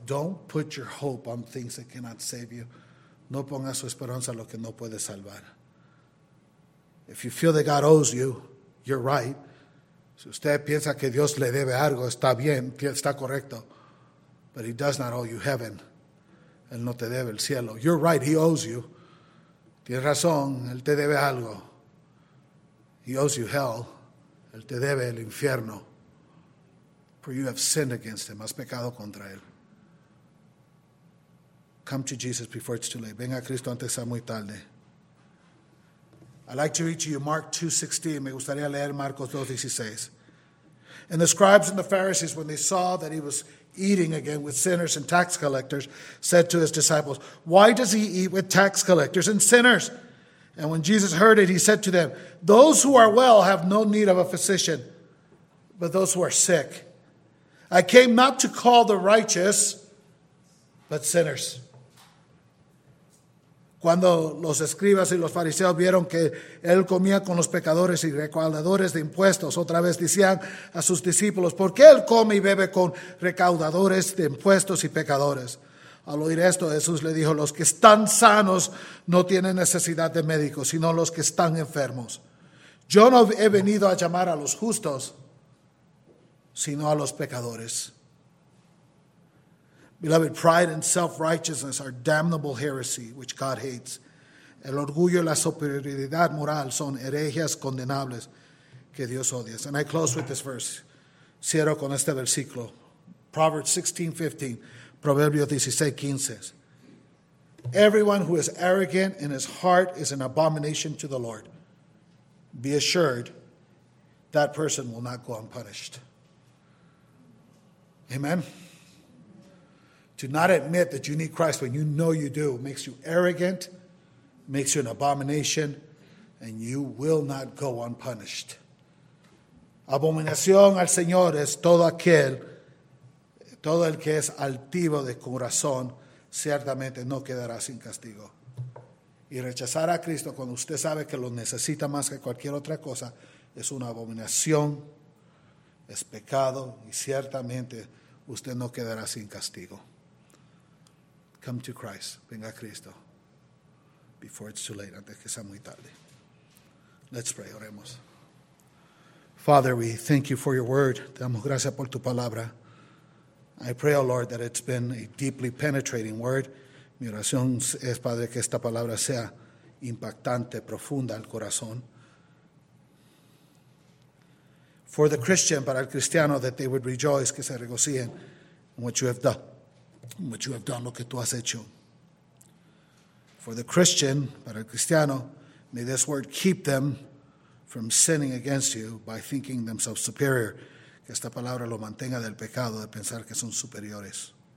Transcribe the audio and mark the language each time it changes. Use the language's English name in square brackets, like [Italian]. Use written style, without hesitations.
[English] Don't put your hope on things that cannot save you. [Spanish] No ponga su esperanza en lo que no puede salvar. [English] If you feel that God owes you, you're right. [Spanish] Si usted piensa que Dios le debe algo, está bien, está correcto. [English] But he does not owe you heaven. [Spanish] Él no te debe el cielo. [English] You're right, he owes you. [Spanish] Tienes razón, él te debe algo. [English] He owes you hell. [Spanish] Él te debe el infierno. [English] For you have sinned against him. [Spanish] Has pecado contra él. [English] Come to Jesus before it's too late. [Spanish] Venga a Cristo antes sea muy tarde. [English] I'd like to read to you Mark 2:16. [Spanish] Me gustaría leer Marcos 2:16. [English] And the scribes and the Pharisees, when they saw that he was eating again with sinners and tax collectors, said to his disciples, why does he eat with tax collectors and sinners? And when Jesus heard it, he said to them, those who are well have no need of a physician, but those who are sick. I came not to call the righteous, but sinners. [Spanish] Cuando los escribas y los fariseos vieron que él comía con los pecadores y recaudadores de impuestos, otra vez decían a sus discípulos, ¿por qué él come y bebe con recaudadores de impuestos y pecadores? Al oír esto, Jesús le dijo, los que están sanos no tienen necesidad de médicos, sino los que están enfermos. Yo no he venido a llamar a los justos, sino a los pecadores. [English] Beloved, pride and self-righteousness are damnable heresy, which God hates. [Spanish] El orgullo y la superioridad moral son herejías condenables que Dios odia. [English] And I close with this verse. [Spanish] Cierro con este versículo. [English] Proverbs 16:15. [Spanish] Proverbios 16:15. [English] Everyone who is arrogant in his heart is an abomination to the Lord. Be assured, that person will not go unpunished. Amen. To not admit that you need Christ when you know you do makes you arrogant, makes you an abomination, and you will not go unpunished. [Spanish] Abominación al Señor es todo el que es altivo de corazón, ciertamente no quedará sin castigo. Y rechazar a Cristo cuando usted sabe que lo necesita más que cualquier otra cosa es una abominación, es pecado, y ciertamente usted no quedará sin castigo. [English] Come to Christ, [Spanish] venga a Cristo, [English] before it's too late, [Spanish] antes que sea muy tarde. [English] Let's pray, [Spanish] oremos. [English] Father, we thank you for your word. [Spanish] Te damos gracias por tu palabra. [English] I pray, oh Lord, that it's been a deeply penetrating word. [Spanish] Mi oración es, Padre, que esta palabra sea impactante, profunda al corazón. [English] For the Christian, [Spanish] para el cristiano, [English] that they would rejoice, [Spanish] que se regocien [English] in what you have done. What you have done, [Spanish] lo que tú has hecho. [English] For the Christian, [Spanish] para el cristiano, [English] may this word keep them from sinning against you by thinking themselves superior. [Spanish] Que esta palabra lo mantenga del pecado de pensar que son superiores.